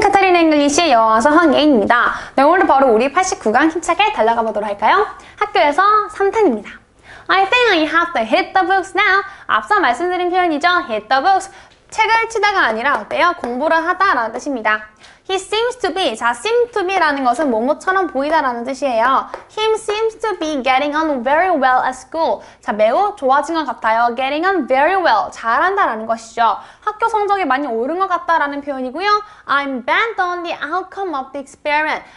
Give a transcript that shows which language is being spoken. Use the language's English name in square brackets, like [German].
[Korean] 카타린 앵글리시의 영어와서 황예인입니다. 네, 오늘 바로 우리 89강 힘차게 달려가 보도록 할까요? 학교에서 3탄입니다. [English] I think I have to hit the books now. [Korean] 앞서 말씀드린 표현이죠. [English] Hit the books. [Korean] 책을 치다가 아니라 어때요? 공부를 하다라는 뜻입니다. [English] He seems to be. [Korean] 자, seem to be라는 것은 뭐뭐처럼 보이다라는 뜻이에요. [English] He seems to be getting on very well at school. [Korean] 자, 매우 좋아진 것 같아요. [English] Getting on very well. [Korean] 잘한다라는 것이죠. 학교 성적이 많이 오른 것 같다라는 표현이고요. [English] I'm bent on the outcome of the experiment.